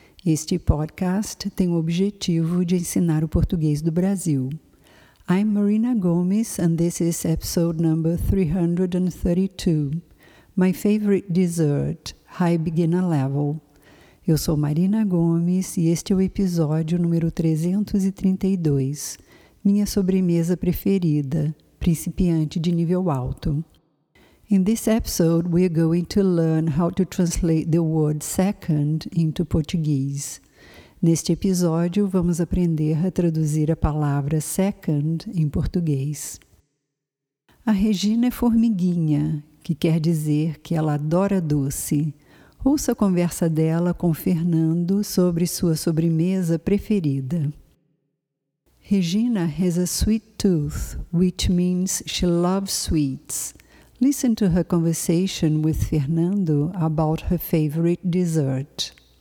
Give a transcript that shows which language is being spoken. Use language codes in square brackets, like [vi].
[pt] Este podcast tem o objetivo de ensinar o português do Brasil. [en] I'm Marina Gomes, and this is episode number 332. My favorite dessert, high beginner level. [pt] Eu sou Marina Gomes e este é o episódio número 332. Minha sobremesa preferida, principiante de nível alto. [en] In this episode, we are going to learn how to translate the word second into Portuguese. [pt] Neste episódio, vamos aprender a traduzir a palavra second em português. A Regina é formiguinha, que quer dizer que ela adora doce. Ouça a conversa dela com Fernando sobre sua sobremesa preferida. [en] Regina has a sweet tooth, which means she loves sweets. Listen to her conversation with Fernando about her favorite dessert.